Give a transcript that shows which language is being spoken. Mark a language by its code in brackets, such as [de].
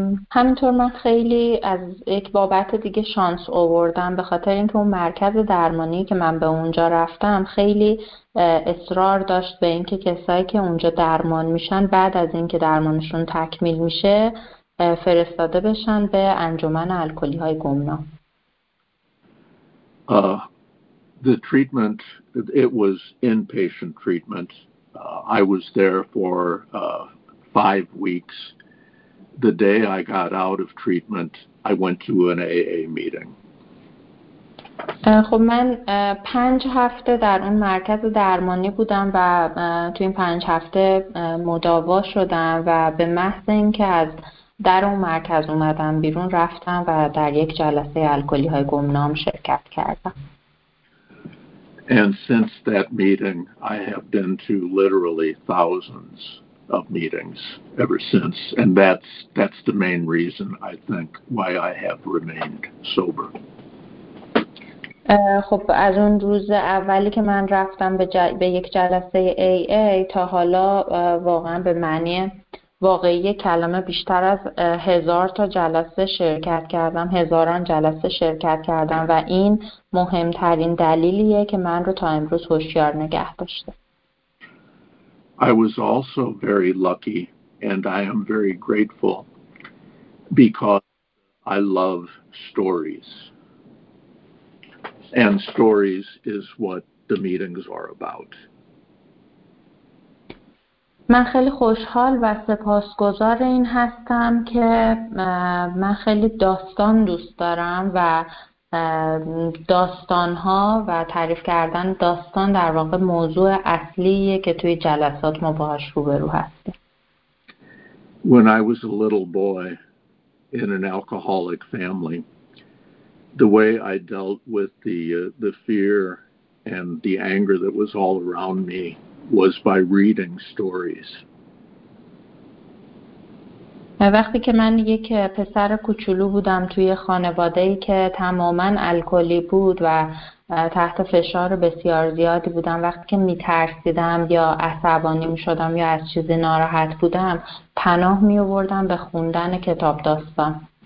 [fa] همینطور من خیلی از یک بابت دیگه شانس آوردم، به خاطر اینکه اون مرکز درمانی که من به اونجا رفتم خیلی اصرار داشت به اینکه کسایی که اونجا درمان میشن بعد از اینکه درمانشون تکمیل میشه فرستاده بشن به انجمن الکلی های گمنام. [en] The treatment, it was inpatient treatment. I was there for 5 weeks. The day I got out of treatment, I went to an AA meeting. [fa] خب من 5 هفته در اون مرکز درمانی بودم و تو این 5 هفته مداوا شدم و به محض اینکه از در اون مرکز اومدم بیرون رفتم و در یک جلسه الکلی های گمنام شرکت کردم. [en] And since that meeting, I have been to literally thousands of meetings ever since. And that's the main reason, I think, why I have remained sober. [fa] خب از اون روز اولی که من رفتم به یک جلسه AA تا حالا واقعا به معنی واقعی کلمه بیشتر از 1000 تا جلسه شرکت کردم، هزاران جلسه شرکت کردم و این مهمترین دلیلیه که من رو تا امروز هوشیار نگه داشته. [en] I was also very lucky and I am very grateful because I love stories. And stories is what the meetings are about. [fa] من خیلی خوشحال و سپاسگزار این هستم که من خیلی داستان دوست دارم و داستان‌ها و تعریف کردن داستان در واقع موضوع اصلیه که توی جلسات ما باهاش روبرو هستیم. [en] When I was a little boy in an alcoholic family, the way I dealt with the fear and the anger that was all around me was by reading stories. [fa] وقتی که من یک پسر کوچولو بودم توی خانواده‌ای که تماماً الکلی بود و تحت فشار بسیار زیادی بودم، وقتی که می‌ترسیدم یا عصبانی می‌شدم یا از چیزی ناراحت بودم، پناه می‌آوردم به خوندن کتاب داستان.